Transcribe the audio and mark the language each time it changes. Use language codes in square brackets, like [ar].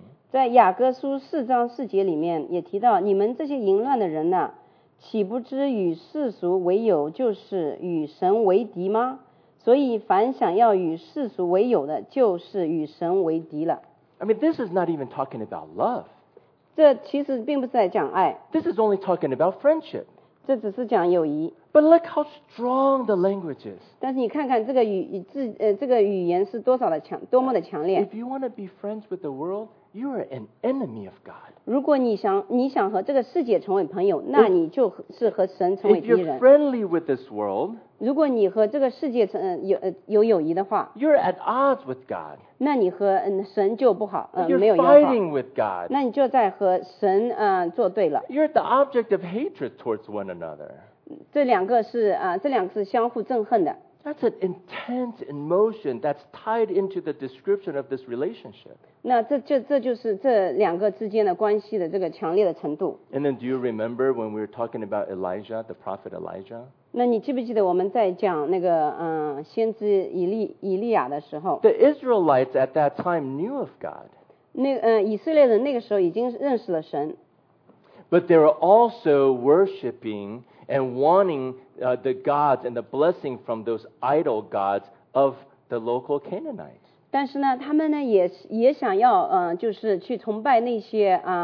[zh] 在雅各书四章四节里面也提到，你们这些淫乱的人呢、啊，岂不知与世俗为友就是与神为敌吗？所以凡想要与世俗为友的，就是与神为敌了。 [en] I mean, this is not even talking about love. [zh] 这其实并不是在讲爱。 [en] This is only talking about friendship. [zh] 这只是讲友谊。 [en] But look how strong the language is. [zh] 但是你看看这个语言是多少的强，多么的强烈。 [en] If you want to be friends with the world. You are an enemy of God. [zh] 如果你想和这个世界成为朋友，那你就是和神成为敌人。 [en] If you're friendly with this world, [zh] 如果你和这个世界有友谊的话， [en] you're at odds with God. [zh] 那你和神就不好，没有友 [en] 好。You're fighting with God. [zh] 那你就在和神作对了。 [en] You're the object of hatred towards one another. [zh] 这两个是相互憎恨的。 [en] That's an intense emotion that's tied into the description of this relationship. [zh] 那这就是这两个之间的关系的这个强烈的程度。 [en] And then do you remember when we were talking about Elijah, the prophet Elijah? [zh] 那你记不记得我们在讲那个先知以利亚的时候 [en] ？The Israelites at that time knew of God. [zh] 以色列人那个时候已经认识了神。 [en] But they were also worshiping and wanting. The gods and the blessing from those idol gods of the local Canaanites. [zh] 但是呢，他们呢也想要就是去崇拜那些